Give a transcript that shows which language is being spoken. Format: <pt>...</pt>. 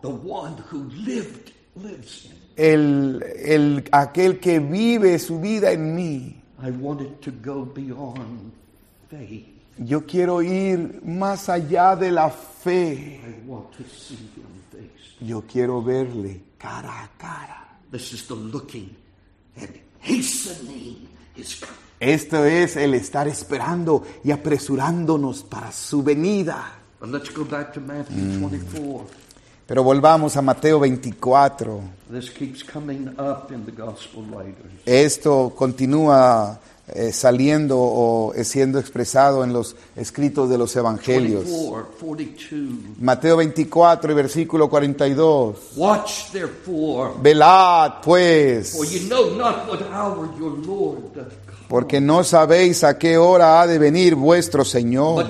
<en>The one who lived, lives in.</en> <es>El aquel que vive su vida en mí.</es> <en>I wanted to go beyond faith.</en> <es>Yo quiero ir más allá de la fe.</es> <en>I want to see him face.</en> <es>Yo quiero verle cara a cara.</es> <en>This is the looking and hastening his coming.</en> <es>Esto es el estar esperando y apresurándonos para su venida.</es> <en>But let's go back to Matthew 24.</en> <es>Pero volvamos a Mateo 24.</es> <en>This keeps coming up in the gospel writers.</en> <es>Esto continúa saliendo o siendo expresado en los escritos de los evangelios.</es> <en>24,</en> <es>Mateo 24 y versículo 42.</es> <en>Watch therefore.</en> <es>Velad pues.</es> <en>For you know not what hour your Lord doth come.</en> <es>Porque no sabéis a qué hora ha de venir vuestro Señor.</es>